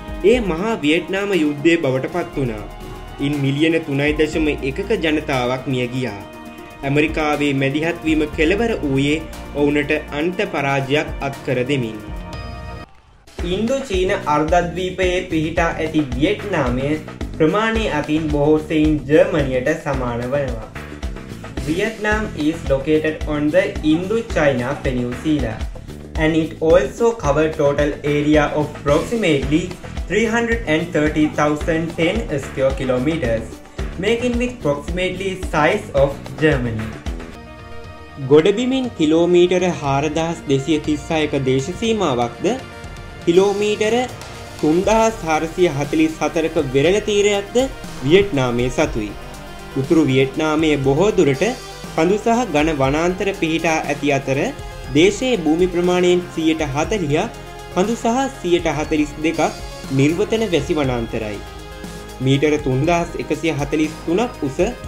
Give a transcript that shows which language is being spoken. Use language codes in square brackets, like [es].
[si] ඒ මහා වියට්නාම යුද්ධයේ බවට පත් වුණා. ඉන් මිලියන 3.1ක ජනතාවක් මිය ගියා. ඇමරිකාවේ මැදිහත්වීම කෙලවර වූයේ ඔවුන්ට අන්ත පරාජයක් අත්කර දෙමින්. ඉන්දු චීන අර්ධද්වීපයේ පිහිටා ඇති වියට්නාමය ප්‍රමාණය අතින් බොහෝ සෙයින් ජර්මනියට සමාන වනවා. [en] Vietnam is located on the Indochina Peninsula, and it also covers total area of approximately 330,010 square kilometers, making with approximately size of Germany. [si] ගොඩබිමින් kilometre 4236ක දේශ සීමාවක්ද කිලෝමීටර 3444ක වෙරළ තීරයක්ද වියට්නාමයේ සතුයි. උතුරු වියට්නාමයේ බොහෝ දුරට කඳු සහ ඝන වනාන්තර පිහිටා ඇති අතර දේශයේ භූමි ප්‍රමාණයෙන් 140ක් කඳු සහ 142ක් නිර්වතන වැසි වනාන්තරයි. මීටර 3143ක් උස